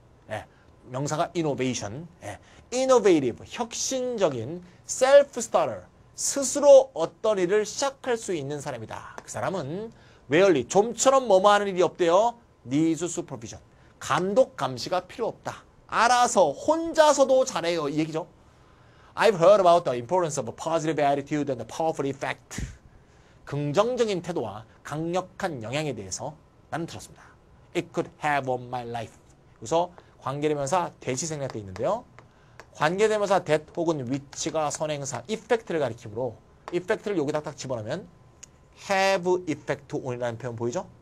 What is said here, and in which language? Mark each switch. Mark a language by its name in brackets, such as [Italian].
[Korean] 예, 명사가 innovation. 예, innovative. 혁신적인 self-starter. 스스로 어떤 일을 시작할 수 있는 사람이다. 그 사람은 rarely. 좀처럼 뭐뭐 하는 일이 없대요. [English] needs supervision. [Korean] 감독 감시가 필요 없다. 알아서 혼자서도 잘해요. 이 얘기죠. [English] I've heard about the importance of a positive attitude and a powerful effect. [Korean] 긍정적인 태도와 강력한 영향에 대해서 나는 들었습니다. [English] It could have on my life. [Korean] 그래서 관계대명사 대시 생략되어 있는데요. 관계대명사 that 혹은 which가 선행사 effect를 가리키므로 effect를 여기 딱딱 집어넣으면 have effect on이라는 표현 보이죠?